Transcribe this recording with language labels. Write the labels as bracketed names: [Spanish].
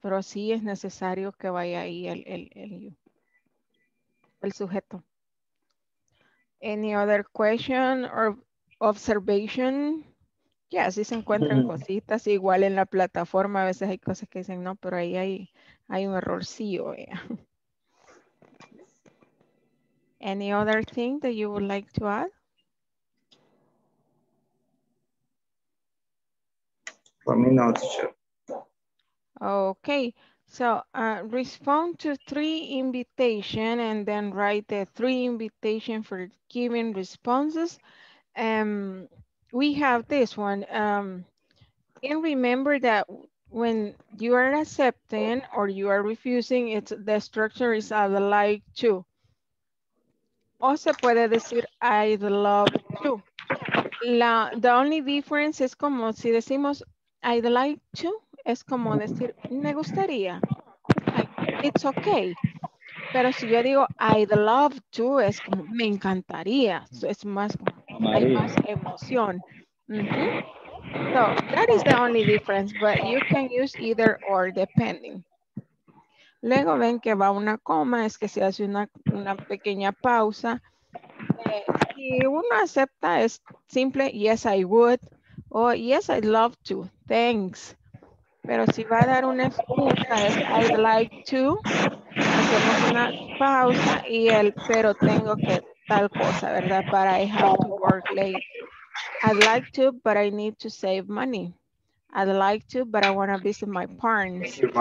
[Spanish] Pero sí es necesario que vaya ahí el sujeto. [English] Any other question or observation? [Spanish] Ya, yeah, sí se encuentran cositas. Igual en la plataforma a veces hay cosas que dicen no, pero ahí hay un errorcillo. [English] Any other thing that you would like to add? For me, no, teacher. Okay, so respond to three invitations and then write the three invitations for giving responses. We have this one. And remember that when you are accepting or you are refusing, it's the structure is I'd like to. [Spanish] O se puede decir [English] I'd love to. The only difference is [Spanish] como si decimos [English] I'd like to, [Spanish] es como decir me gustaría. [English] It's okay. [Spanish] Pero si yo digo [English] I'd love to, [Spanish] es como me encantaría. So es más como hay más emoción. [English] So that is the only difference, but you can use either or depending. [Spanish] Luego ven que va una coma, es que se hace una pequeña pausa. Si uno acepta, es simple, [English] yes, I would, [Spanish] o [English] yes, I'd love to, thanks. [Spanish] Pero si va a dar una excusa, es [English] I'd like to, [Spanish] hacemos una pausa y el pero tengo que tal cosa, ¿verdad? [English] But I have to work late. I'd like to, but I need to save money. I'd like to, but I want to visit my parents.